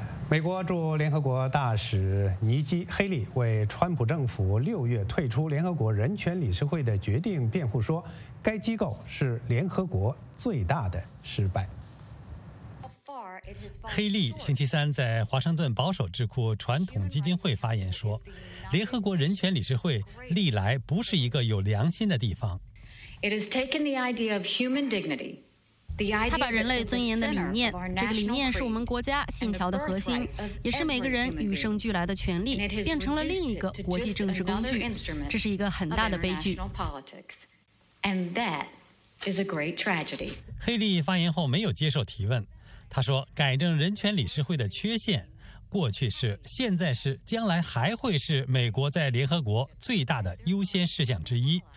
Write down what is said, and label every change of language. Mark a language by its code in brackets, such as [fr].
[zh] 美国驻联合国大使尼基·黑利为川普政府六月退出联合国人权理事会的决定辩护说，该机构是联合国最大的失败。黑利星期三在华盛顿保守智库传统基金会发言说，联合国人权理事会历来不是一个有良心的地方。 [en] It has taken the idea of human dignity, the idea of human dignity, [zh] 他把人类尊严的理念，这个理念是我们国家信条的核心，也是每个人与生俱来的权利，变成了另一个国际政治工具，这是一个很大的悲剧。 [en] And that is a great tragedy. [zh] 黑利发言后没有接受提问，他说改正人权理事会的缺陷，过去是，现在是，将来还会是美国在联合国最大的优先事项之一。